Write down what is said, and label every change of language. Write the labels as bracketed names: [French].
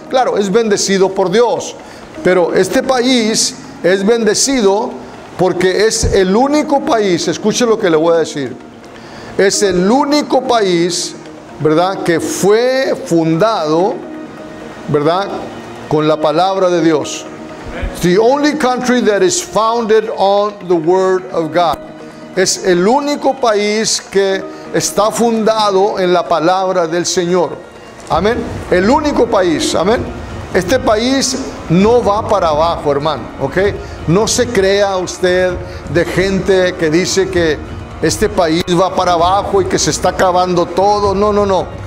[Spanish] Claro, es bendecido por Dios. Pero este país es bendecido porque es el único país, escuche lo que le voy a decir. Es el único país, ¿verdad?, que fue fundado, ¿verdad?, con la palabra de Dios. [English] The only country that is founded on the word of God. [Spanish] Es el único país que está fundado en la palabra del Señor. Amén. El único país. Amén. Este país no va para abajo, hermano. ¿Ok? No se crea usted de gente que dice que este país va para abajo y que se está acabando todo. No, no, no.